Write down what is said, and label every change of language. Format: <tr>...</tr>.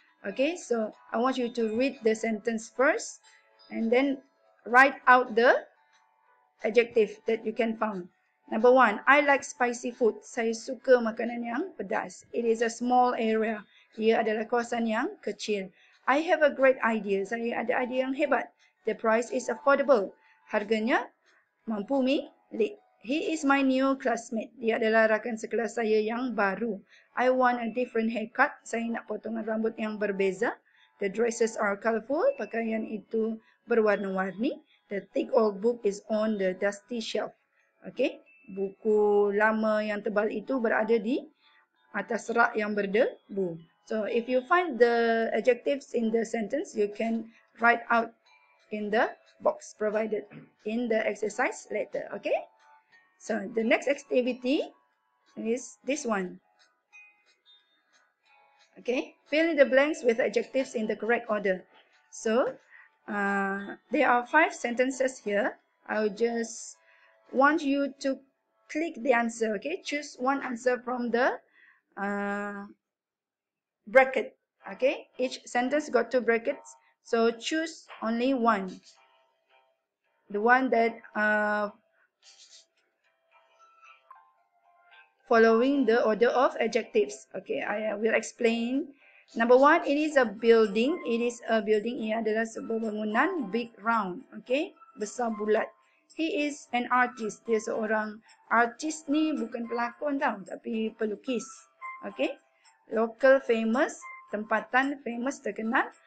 <en>Okay, so I want you to read the sentence first and then write out the adjective that you can find. Number one, I like spicy food.</en> <ms>Saya suka makanan yang pedas.</ms> <en>It is a small area.</en> <ms>Ia adalah kawasan yang kecil.</ms> <en>I have a great idea.</en> <ms>Saya ada idea yang hebat.</ms> <en>The price is affordable.</en> <ms>Harganya mampu milik.</ms> <en>He is my new classmate.</en> <ms>Dia adalah rakan sekelas saya yang baru.</ms> <en>I want a different haircut.</en> <ms>Saya nak potongan rambut yang berbeza.</ms> <en>The dresses are colorful.</en> <ms>Pakaian itu berwarna-warni.</ms> <en>The thick old book is on the dusty shelf. Okay.</en> <ms>Buku lama yang tebal itu berada di atas rak yang berdebu.</ms> <en>So, if you find the adjectives in the sentence, you can write out in the box provided in the exercise letter. Okay, so the next activity is this one. Okay, fill in the blanks with adjectives in the correct order. So there are 5 sentences here. I will just want you to click the answer. Okay, choose one answer from the bracket. Okay, each sentence got 2 brackets, so choose only one, the one that following the order of adjectives. Okay, I will explain. Number one, it is a building. It is a building.</en> <ms>Ia adalah sebuah bangunan.</ms> <en>Big, round. Okay,</en> <ms>besar, bulat.</ms> <en>He is an artist.</en> <ms>Dia seorang artis ni, bukan pelakon tau, tapi pelukis.</ms> <en>Okay, local famous, tempatan famous, terkenal.</en>